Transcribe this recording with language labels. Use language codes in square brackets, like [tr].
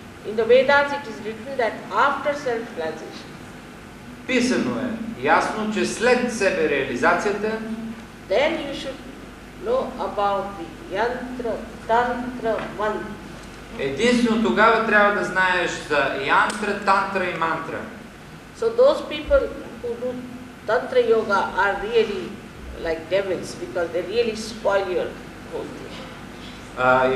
[en] In the Vedas it is written that after self-realization. [bg] Писано е ясно, че след себе реализацията, [en] then you should know about the yantra, тантра, мантра. [bg] Единствено тогава трябва да знаеш за янтра, тантра и мантра. [en] So those people who do tantra yoga are really like devils, because they really spoil your whole thing.